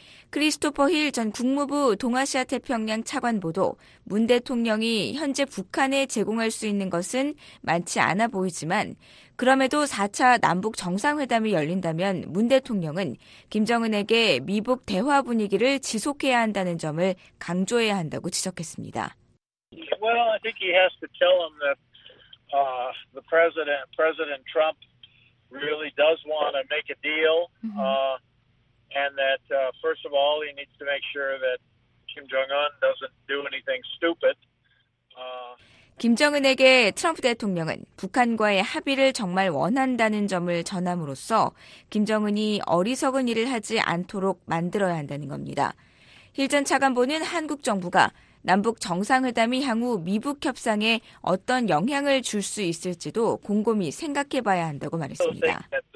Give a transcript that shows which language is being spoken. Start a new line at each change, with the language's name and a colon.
Korean: 크리스토퍼 힐 전 국무부 동아시아태평양 차관보도 문 대통령이 현재 북한에 제공할 수 있는 것은 많지 않아 보이지만 그럼에도 4차 남북 정상회담이 열린다면 문 대통령은 김정은에게 미북 대화 분위기를 지속해야 한다는 점을 강조해야 한다고 지적했습니다.
English: Well, I think he has to tell him that the President Trump really does want to make a deal. And that first of all, he needs to make sure that Kim Jong-un doesn't do anything stupid.
Korean: 김정은에게 트럼프 대통령은 북한과의 합의를 정말 원한다는 점을 전함으로써 김정은이 어리석은 일을 하지 않도록 만들어야 한다는 겁니다. 힐 전 차관보는 한국 정부가 남북 정상회담이 향후 미북 협상에 어떤 영향을 줄 수 있을지도 곰곰이 생각해 봐야 한다고 말했습니다.